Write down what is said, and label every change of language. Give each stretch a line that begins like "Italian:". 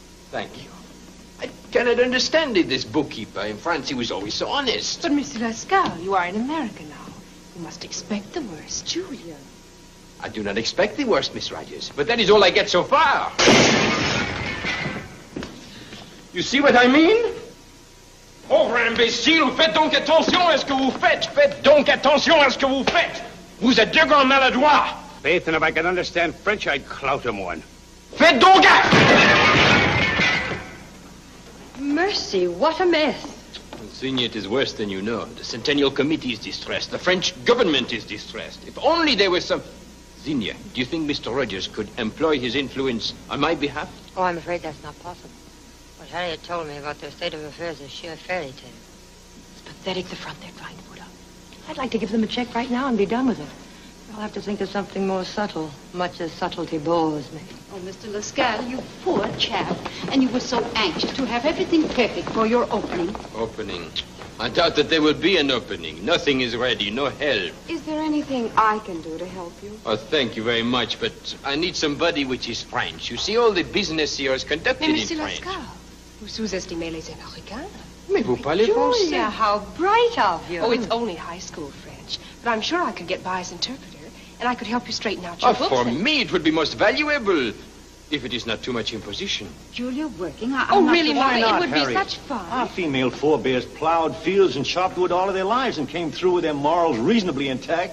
English: Thank you. I cannot understand it, this bookkeeper. In France, he was always so honest. But, Monsieur Lascaux, you are an American now. You must expect the worst, Julia. I do not expect the worst, Miss Rogers, but that is all I get so far. You see what I mean?
French: Pauvre imbécile, faites donc attention à ce que vous faites. Faites donc attention à ce que vous faites. Vous êtes de grands maladroits.
English: Faith, and if I can understand French, I'd clout him one.
French: Faites donc!
English: Mercy, what a mess. Signor, it is worse than you know. The Centennial Committee is distressed. The French government is distressed. If only there were some... Signor, do you think Mr. Rogers could employ his influence on my behalf? Oh, I'm afraid that's not possible. What Harriet told me about their state of affairs is sheer fairy tale. It's pathetic, the front they're trying to put up. I'd like to give them a check right now and be done with it. I'll have to think of something more subtle, much as subtlety bores me. Oh, Mr. Lascaux, you poor chap. And you were so anxious to have everything perfect for your opening. Opening? I doubt that there will be an opening. Nothing is ready, no help. Is there anything I can do to help you? Oh, thank you very much, but I need somebody which is French. You see, all the business here is conducted in French.
French: Mais, Monsieur Lascaux, vous sous-estimez les Américains? Mais vous parlez français?
English: Julia, how bright of you. Oh, it's only high school French, but I'm sure I could get by as interpreter. And I could help you straighten out your books. For me, it would be most valuable, if it is not too much imposition. Julia, working, Why not? It would Harriet, be such fun. Our female forebears plowed fields and chopped wood all of their lives and came through with their morals reasonably intact.